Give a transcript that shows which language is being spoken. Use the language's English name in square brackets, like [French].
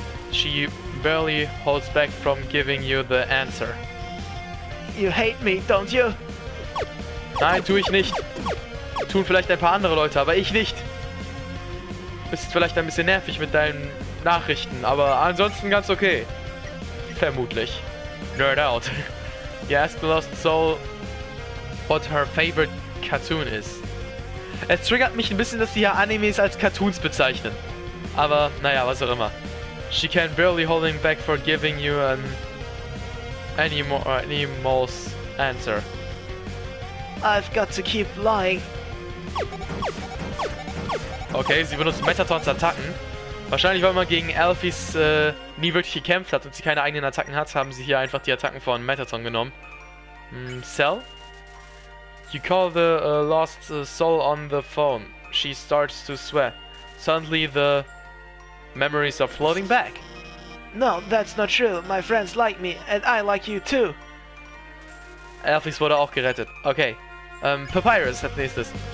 [English] She barely holds back from giving you the answer. You hate me, don't you? [German] Nein, tue ich nicht. Tun vielleicht ein paar andere Leute, aber ich nicht. Bist vielleicht ein bisschen nervig mit deinen Nachrichten, aber ansonsten ganz okay. Vermutlich. Nerd out. [English] You ask the lost soul what her favorite cartoon is. [German] Es triggert mich ein bisschen, dass sie ja Animes als Cartoons bezeichnen. Aber, naja, was auch immer. [English] She can barely hold him back for giving you any more's answer. I've got to keep lying. [German] Okay, sie benutzt Metatons Attacken. Wahrscheinlich, weil man gegen Alphys nie wirklich gekämpft hat und sie keine eigenen Attacken hat, haben sie hier einfach die Attacken von Metaton genommen. [English] Cell? You call the lost soul on the phone. She starts to sweat. Suddenly the memories are floating back. No, that's not true. My friends like me and I like you too. [German] Alphys wurde auch gerettet. Okay. Papyrus hat nächstes.